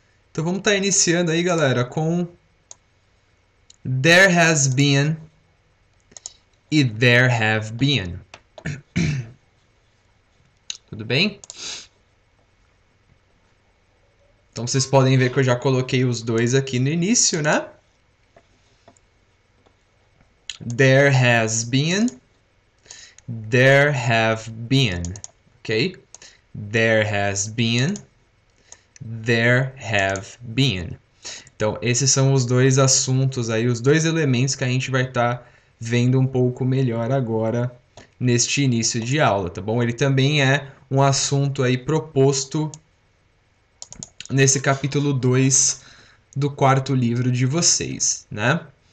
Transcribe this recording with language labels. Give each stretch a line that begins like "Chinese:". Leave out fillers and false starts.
Portuguese: Então vamos estar iniciando aí, galera, com
English: There has been
Portuguese: e
English: there have been.
Portuguese: Tudo bem? Então vocês podem ver que eu já coloquei os dois aqui no início, né?
English: There has been, there have been, ok? There has been, there have been.
Portuguese: Então esses são os dois assuntos aí, os dois elementos que a gente vai estar vendo um pouco melhor agora neste início de aula, tá bom? Ele também é um assunto aí proposto nesse capítulo 2 do quarto livro de vocês, né?